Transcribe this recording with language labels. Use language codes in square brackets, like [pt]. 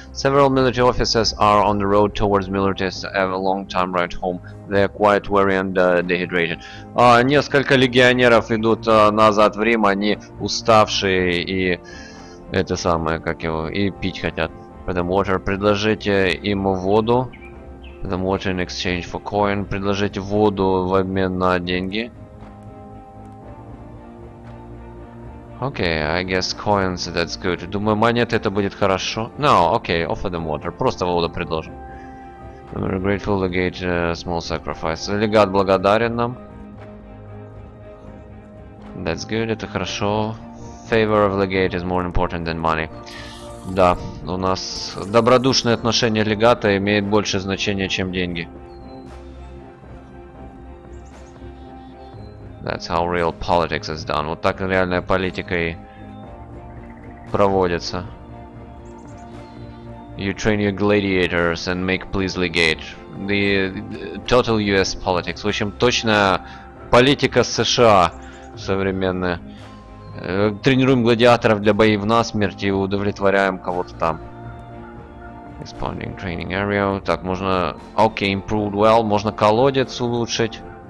[en] Several military officers are on the road towards Milites. Have a long time right home. They are quite weary and dehydrated. [ru] Несколько легионеров идут назад в Рим. Они уставшие и это самое, как его, и пить хотят. Потом water, предложите им воду. [en] Потом water in exchange for coin. [ru] Предложите воду в обмен на деньги. [en] Окей, okay, I guess coins, that's good. [ru] Думаю, монеты это будет хорошо. [en] No, okay, offer them water. [ru] Просто воду предложим. [en] I'm grateful to get a small sacrifice. [ru] Легат благодарен нам. [en] That's good, [ru] это хорошо. [en] Favor of legate is more important than money. [ru] Да, у нас добродушное отношение легата имеет больше значения, чем деньги. [en] That's how real politics is done. [ru] Вот так реальная политика и проводится. [en] You train your gladiators and make please legate. The total US politics. [ru] В общем, точная политика США. Современные. Тренируем гладиаторов для боев насмерть и удовлетворяем кого-то там. [en] Expanding training area. [ru] Так, можно... [en] Okay, improved well. [ru] Можно колодец улучшить.